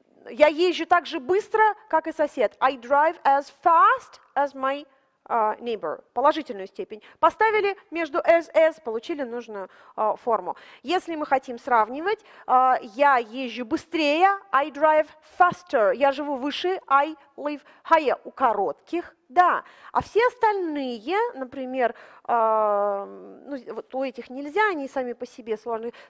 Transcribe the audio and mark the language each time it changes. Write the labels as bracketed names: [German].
[Russian] Я езжу так же быстро, как и сосед. [English] I drive as fast as my neighbor. [Russian] Положительную степень. Поставили между as, получили нужную форму. Если мы хотим сравнивать, я езжу быстрее. [English] I drive faster. [Russian] Я живу выше. [English] I live higher. [Russian] У коротких, да. А все остальные, например, ну, вот у этих нельзя, они сами по себе сложные.